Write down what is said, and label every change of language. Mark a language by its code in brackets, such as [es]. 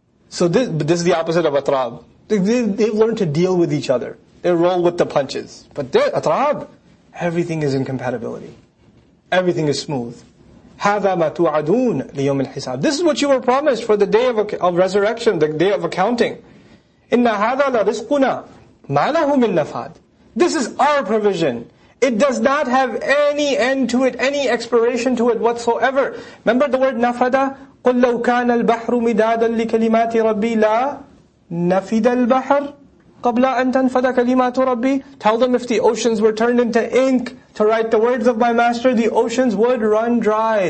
[en] So this is the opposite of atrab. They've learned to deal with each other. They roll with the punches. But they're atrab. Everything is incompatibility. Everything is smooth. [ar] هَذَا مَا تُوَعَدُونَ لِيَوْمِ الْحِسَابِ. [en] This is what you were promised for the day of resurrection, the day of accounting. [ar] إِنَّ هَذَا لَرِزْقُنَا مَا لَهُ مِنْ نَفَادِ. [en] This is our provision. It does not have any end to it, any expiration to it whatsoever. Remember the word nafada? [ar] قُلْ لَوْ كَانَ الْبَحْرُ مِدَادًا لِكَلِمَاتِ رَبِّي لَا نَفِدَ الْبَحْرُ قَبْلَ أَن تَنْفَدَ كَلِمَاتُ رَبِّي. [en] Tell them if the oceans were turned into ink to write the words of my master, the oceans would run dry.